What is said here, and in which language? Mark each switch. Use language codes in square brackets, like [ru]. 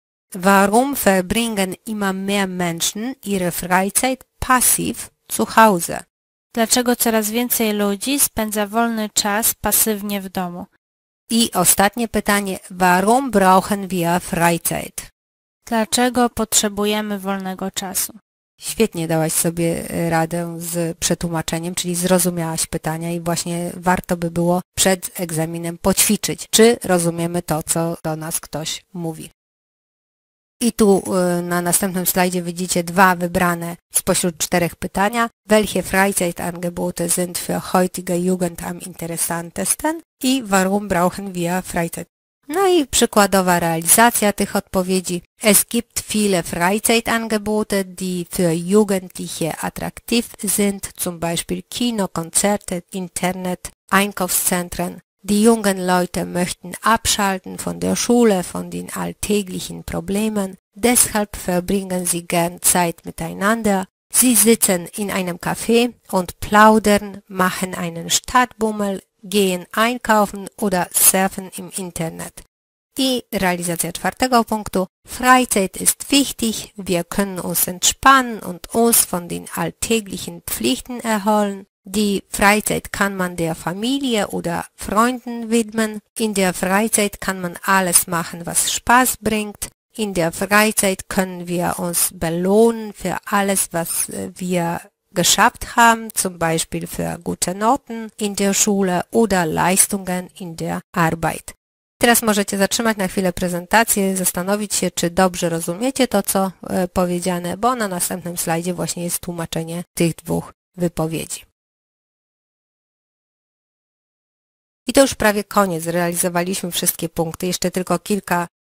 [de] Warum verbringen immer mehr Menschen ihre Freizeit passiv zu Hause? [pl] Dlaczego coraz więcej ludzi spędza wolny czas pasywnie w domu? I ostatnie pytanie, [de] warum brauchen wir Freizeit? [pl] Dlaczego potrzebujemy wolnego czasu? Świetnie dałaś sobie radę z przetłumaczeniem, czyli zrozumiałaś pytania i właśnie warto by było przed egzaminem poćwiczyć, czy rozumiemy to, co do nas ktoś mówi. I tu na następnym slajdzie widzicie dwa wybrane spośród czterech pytania. [de] Welche Freizeitangebote sind für heutige Jugend am interessantesten? I warum brauchen wir Freizeit? [pl] No i przykładowa realizacja tych odpowiedzi. [de] Es gibt viele Freizeitangebote, die für Jugendliche attraktiv sind, zum Beispiel Kino, Konzerte, Internet, Einkaufszentren. Die jungen Leute möchten abschalten von der Schule, von den alltäglichen Problemen. Deshalb verbringen sie gern Zeit miteinander. Sie sitzen in einem Café und plaudern, machen einen Stadtbummel, gehen einkaufen oder surfen im Internet. [pl] I realizacja czwartego punktu. [de] Freizeit ist wichtig. Wir können uns entspannen und uns von den alltäglichen Pflichten erholen. Die Freizeit kann man der Familie oder Freunden widmen. In der Freizeit kann man alles machen, was Spaß bringt. In der Freizeit können wir uns belohnen für alles, was wir geschafft haben, zum Beispiel für gute Noten in der Schule oder Leistungen in der Arbeit. [pl] Teraz możecie zatrzymać na chwilę prezentację, zastanowić się, czy dobrze rozumiecie to, co powiedziane, bo na następnym slajdzie właśnie jest tłumaczenie tych dwóch wypowiedzi. I to już prawie koniec. Zrealizowaliśmy wszystkie punkty. Jeszcze tylko kilka